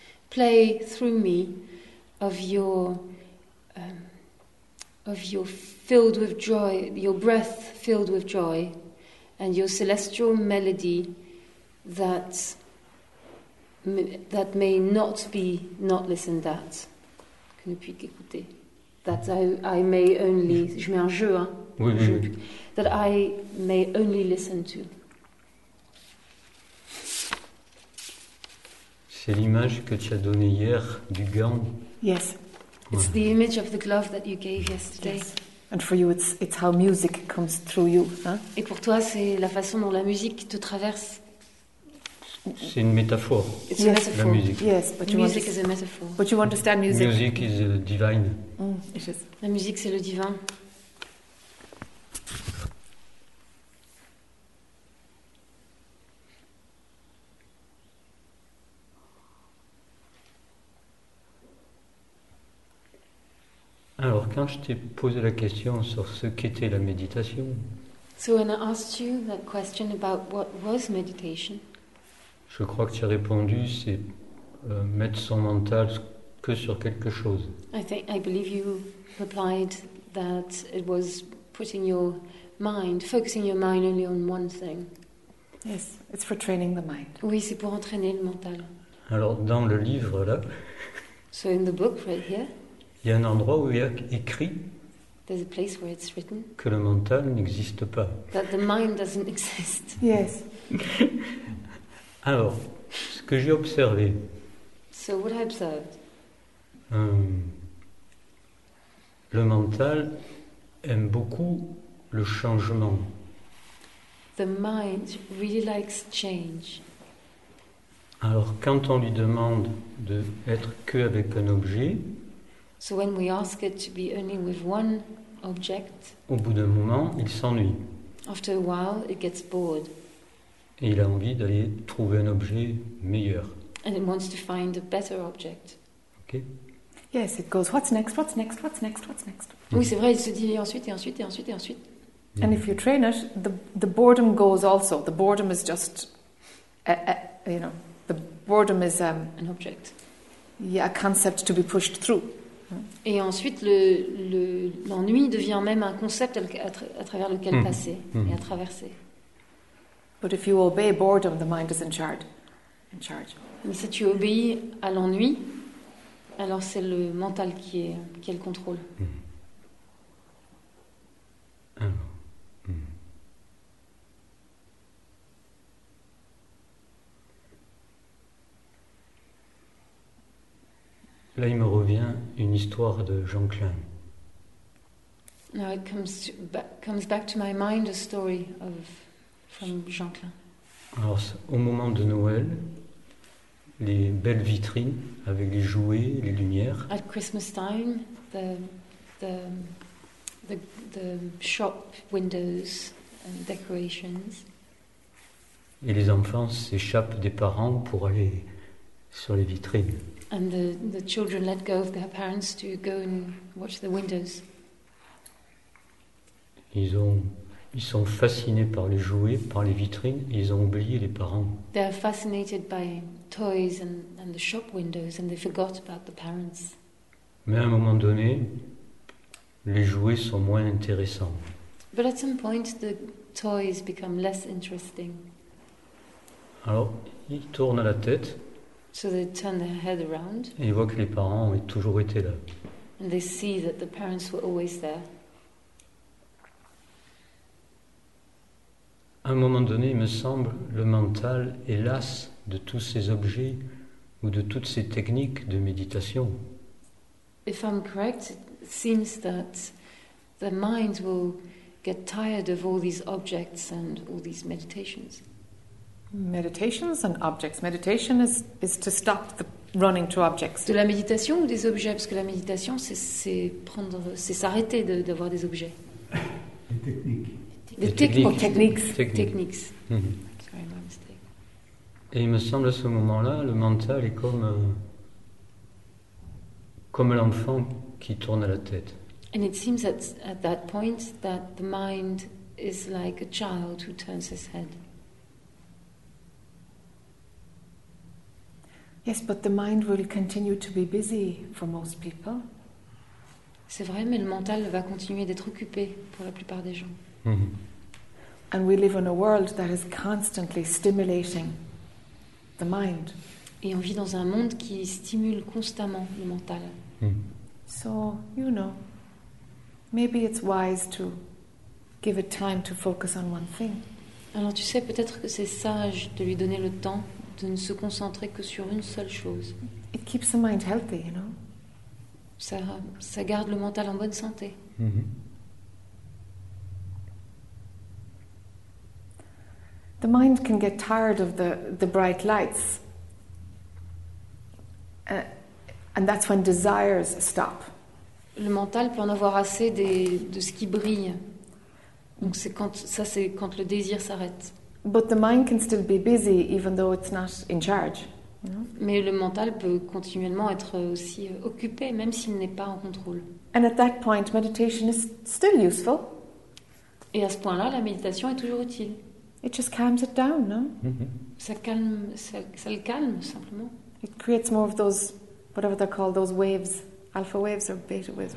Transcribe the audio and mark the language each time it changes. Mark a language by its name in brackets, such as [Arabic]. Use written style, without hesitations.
[English] play through me of your filled with joy, your breath filled with joy, and your celestial melody that may not be not listened at, [French] que ne puis qu'écouter. [English] That I may only, [French] je mets un jeu, hein, oui, jeu oui. [English] That I may only listen to. [French] C'est l'image que tu as donnée hier du gant. [English] Yes. [French] Ouais. [English] It's the image of the glove that you gave yesterday. Yes. And for you, it's how music comes through you. [French] Hein? Et pour toi, c'est la façon dont la musique te traverse. C'est une métaphore. [English] It's yes. A metaphor. [French] La musique. [English] Yes, but you music is a metaphor. But you understand music. Music is divine. Mm, it is. [French] La musique, c'est le divin. Alors, quand je t'ai posé la question sur ce qu'était la méditation, [English] so when I asked you that question about what was meditation, [French] je crois que tu as répondu, c'est mettre son mental que sur quelque chose. [English] I believe you replied that it was putting your mind, focusing your mind only on one thing. Yes, it's for training the mind. [French] Oui, c'est pour entraîner le mental. Alors, dans le livre là. [English] So in the book right here. [French] Il y a un endroit où il y a écrit [English] a place where it's written, [French] que le mental n'existe pas. [English] That the mind doesn't exist. Yes. [French] Alors, ce que j'ai observé. [English] So what I observed. [French] Le mental aime beaucoup le changement. [English] The mind really likes change. [French] Alors, quand on lui demande de être que avec un objet. [English] So when we ask it to be only with one object, [French] au bout d'un moment, il s'ennuie. [English] After a while, it gets bored. [French] Et il a envie d'aller trouver un objet meilleur. [English] And it wants to find a better object. Okay. Yes, it goes. What's next? What's next? What's next? What's next? [French] Mm-hmm. Oui, c'est vrai. Il se dit ensuite et ensuite et ensuite et ensuite. [English] Mm-hmm. And if you train it, the boredom goes also. The boredom is just, you know, the boredom is an object. Yeah, a concept to be pushed through. [French] Et ensuite, l'ennui devient même un concept à travers lequel passer et à traverser. [English] But if you obey boredom, the mind is in charge. In charge. [French] Mais si tu obéis à l'ennui, alors c'est le mental qui est le contrôle. Là, il me revient une histoire de Jean Klein. [English] Now it comes back to my mind a story from Jean Klein. [French] Alors, au moment de Noël, les belles vitrines avec les jouets, les lumières. [English] At Christmas time, the shop windows and decorations. [French] Et les enfants s'échappent des parents pour aller sur les vitrines. [English] And the children let go of their parents to go and watch the windows. [French] Ils sont fascinés par les jouets, par les vitrines, et ils ont oublié les parents. [English] They are fascinated by toys and the shop windows, and they forgot about the parents. [French] Mais à un moment donné, les jouets sont moins intéressants. [English] But at some point, the toys become less interesting. [French] Alors, ils tournent la tête. [English] So they turn their head around. [French] Et ils voient que les parents ont toujours été là. [English] And they see that the parents were always there. [French] À un moment donné, il me semble, le mental est las de tous ces objets ou de toutes ces techniques de méditation. [English] If I'm correct, it seems that the mind will get tired of all these objects and all these meditations. Meditations and objects. Meditation is to stop the running to objects. [French] De la méditation ou des objets, parce que la méditation c'est s'arrêter d'avoir des objets. Les techniques. [English] Mm-hmm. Sorry, my mistake. [French] Et il me semble à ce moment-là, le mental est comme l'enfant qui tourne la tête. [English] And it seems that at that point that the mind is like a child who turns his head. Yes, but the mind will continue to be busy for most people. [French] C'est vrai, mais le mental va continuer d'être occupé pour la plupart des gens. [English] And we live in a world that is constantly stimulating the mind. [French] Et on vit dans un monde qui stimule constamment le mental. [English] So, you know, maybe it's wise to give it time to focus on one thing. [French] Alors tu sais, peut-être que c'est sage de lui donner le temps de ne se concentrer que sur une seule chose. [English] It keeps the mind healthy, you know. [French] Ça garde le mental en bonne santé. [English] The mind can get tired of the bright lights. And that's when desires stop. [French] Le mental peut en avoir assez de ce qui brille. Donc c'est quand le désir s'arrête. [English] But the mind can still be busy even though it's not in charge. [French] Mais le mental peut continuellement être aussi occupé même s'il n'est pas en contrôle. [English] And at that point, meditation is still useful. [French] Et à ce point-là, la méditation est toujours utile. [English] It just calms it down, no? [French] Ça le calme simplement. [English] It creates more of those, whatever they're called, those waves, alpha waves or beta waves.